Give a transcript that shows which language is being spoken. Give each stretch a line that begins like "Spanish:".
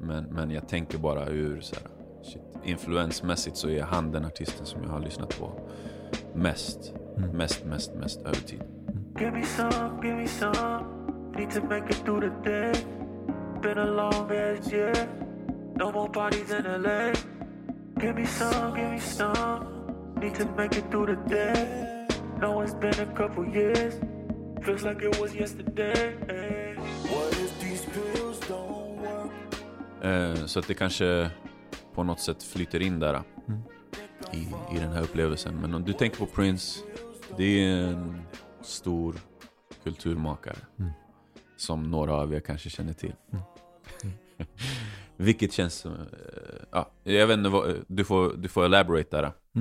Swedish: Men jag tänker bara ur så här, shit. Influensmässigt så är han den artisten som jag har lyssnat på mest över tid.
English: Give me some. Need to make it through the day. Been a long ass year. No more parties in LA. Give me some. Need to make it through the day. No, it's been a couple years. Feels like it was yesterday. What if these pills don't work?
Swedish: Så att det kanske på något sätt flyter in där i den här upplevelsen. Men om du tänker på Prince, det är en stor kulturmakare som några av er kanske känner till. Vilket känns jag vet inte, du får elaborate där.